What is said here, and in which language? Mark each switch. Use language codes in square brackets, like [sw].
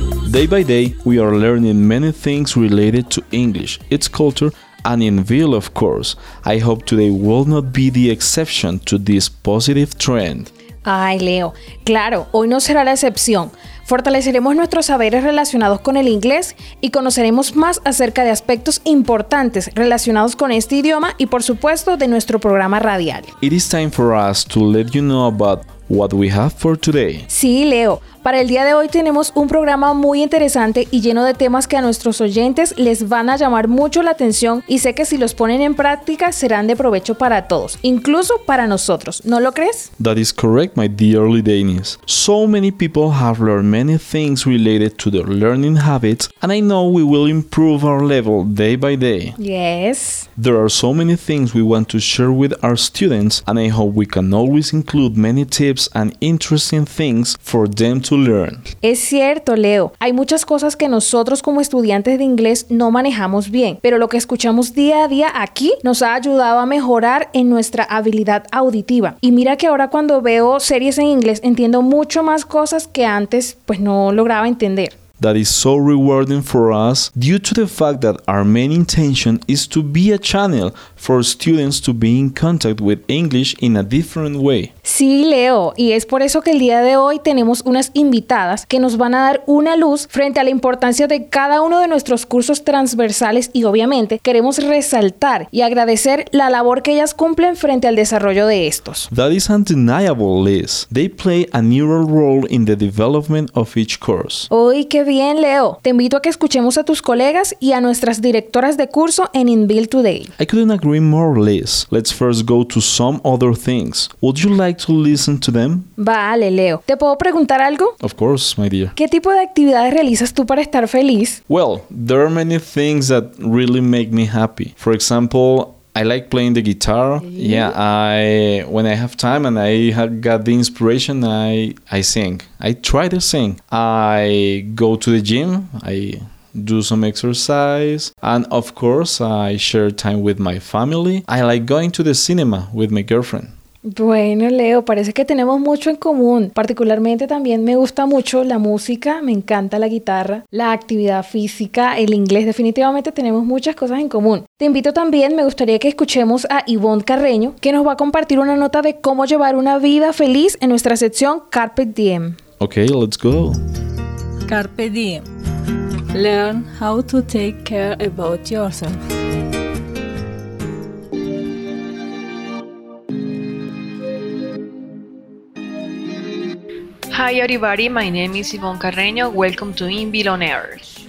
[en] Day by day, we are learning many things related to English, its culture, and in Vill, of course. I hope today will not be the exception to this positive trend. [es] Ay, Leo, claro, hoy no será la excepción. Fortaleceremos nuestros saberes relacionados con el inglés y conoceremos más acerca de aspectos importantes relacionados con este idioma y, por supuesto, de nuestro programa radial. [en] It is time for us to let you know about what we have for today. [es] Sí, Leo. Para el día de hoy tenemos un programa muy interesante y lleno de temas que a nuestros oyentes les van a llamar mucho la atención y sé que si los ponen en práctica serán de provecho para todos, incluso para nosotros, ¿no lo crees? [en] That is correct, my dear Lidenis. So many people have learned many things related to their learning habits and I know we will improve our level day by day. Yes. There are so many things we want to share with our students and I hope we can always include many tips and interesting things for them to learn. [es] Es cierto, Leo. Hay muchas cosas que nosotros como estudiantes de inglés no manejamos bien, pero lo que escuchamos día a día aquí nos ha ayudado a mejorar en nuestra habilidad auditiva. Y mira que ahora cuando veo series en inglés entiendo mucho más cosas que antes pues no lograba entender. [en] That is so rewarding for us due to the fact that our main intention is to be a channel for students to be in contact with English in a different way. [es] Sí, Leo, y es por eso que el día de hoy tenemos unas invitadas que nos van a dar una luz frente a la importancia de cada uno de nuestros cursos transversales y obviamente queremos resaltar y agradecer la labor que ellas cumplen frente al desarrollo de estos. [en] That is undeniable, Liz. They play a neural role in the development of each course. [es] ¡Uy, qué bien, Leo! Te invito a que escuchemos a tus colegas y a nuestras directoras de curso en InVille Today. [en] I couldn't agree more, Liz. Let's first go to some other things. Would you like to listen to them? [es] Vale, Leo. ¿Te puedo preguntar algo? [en] Of course, my dear. [es] ¿Qué tipo de actividades realizas tú para estar feliz? [en] Well, there are many things that really make me happy. For example, I like playing the guitar. Yeah, when I have time and I have got the inspiration, I sing. I try to sing. I go to the gym. I do some exercise. And of course, I share time with my family. I like going to the cinema with my girlfriend. [es] Bueno, Leo, parece que tenemos mucho en común. Particularmente también me gusta mucho la música, me encanta la guitarra, la actividad física, el inglés. Definitivamente tenemos muchas cosas en común. Te invito también, me gustaría que escuchemos a Ivonne Carreño, que nos va a compartir una nota de cómo llevar una vida feliz en nuestra sección Carpe Diem. [en] Ok, let's go. Carpe Diem. Learn how to take care about yourself. Hi everybody, my name is Ivonne Carreño, welcome to In Villonaire.